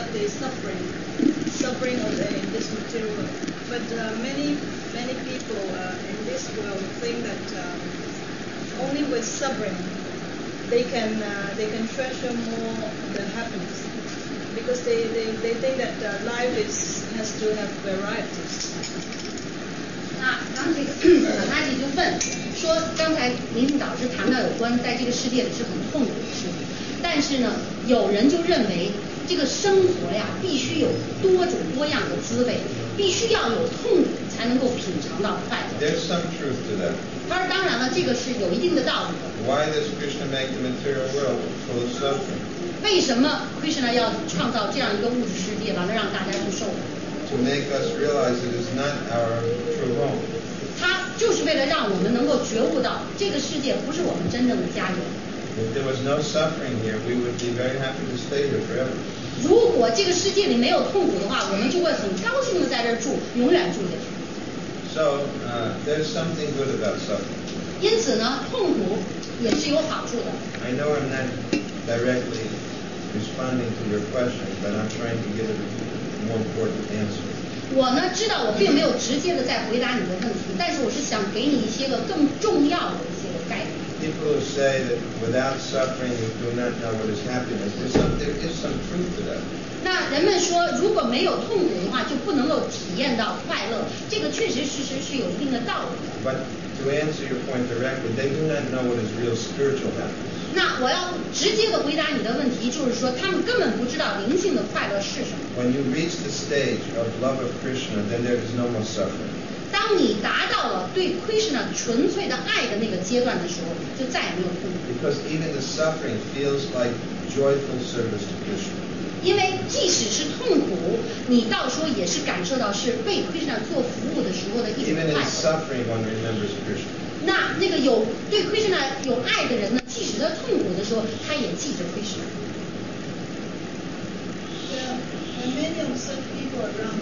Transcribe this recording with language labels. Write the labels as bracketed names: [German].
[English] Suffering, suffering of in this material world. But many people in this world think that only with suffering they can treasure more than happiness, because they think that life has to have varieties. [Chinese] 那刚才这个小太极就问说，刚才林导师谈到有关在这个世界里是很痛苦的事情，但是呢，有人就认为。这个生活呀，必须有多种多样的滋味，必须要有痛苦才能够品尝到快乐。 [English] There's some truth to that. [Chinese] 他说，当然了，这个是有一定的道理的。 [English] Why does Krishna make the material world full of suffering? [Chinese] 为什么 Krishna 要创造这样一个物质世界，完了让大家去受苦 [English] ？To make us realize it is not our true home. [Chinese] 他就是为了让我们能够觉悟到，这个世界不是我们真正的家园。 [English] If there was no suffering here, we would be very happy to stay here forever. [Chinese] 如果这个世界里没有痛苦的话，我们就会很高兴的在这儿住，永远住下去。 [English] So, there's something good about suffering. [Chinese] 因此呢，痛苦也是有好处的。 [English] I know I'm not directly responding to your question, but I'm trying to give a more important answer. [Chinese] 我呢，知道我并没有直接的在回答你的问题，但是我是想给你一些个更重要的一些个概念。 [English] People who say that without suffering you do not know what is happiness, there is some truth to that. [Chinese] 那人们说，如果没有痛苦的话，就不能够体验到快乐。这个确实事实是有一定的道理的。 [English] But to answer your point directly, they do not know what is real spiritual happiness. [Chinese] 那我要直接的回答你的问题，就是说，他们根本不知道灵性的快乐是什么。 [English] When you reach the stage of love of Krishna, then there is no more suffering. [Chinese] 当你达到了对 Krishna 纯粹的爱的那个阶段的时候，就再也没有痛苦。 [English] Because even the suffering feels like joyful service to Krishna. [Chinese] 因为即使是痛苦，你到时候也是感受到是为 Krishna 做服务的时候的一种快乐。 [English] Even in suffering, one remembers Krishna. [Chinese] 那个有对 Krishna 有爱的人呢，即使在痛苦的时候，他也记着 Krishna。 [English] Yeah, and many of such people around.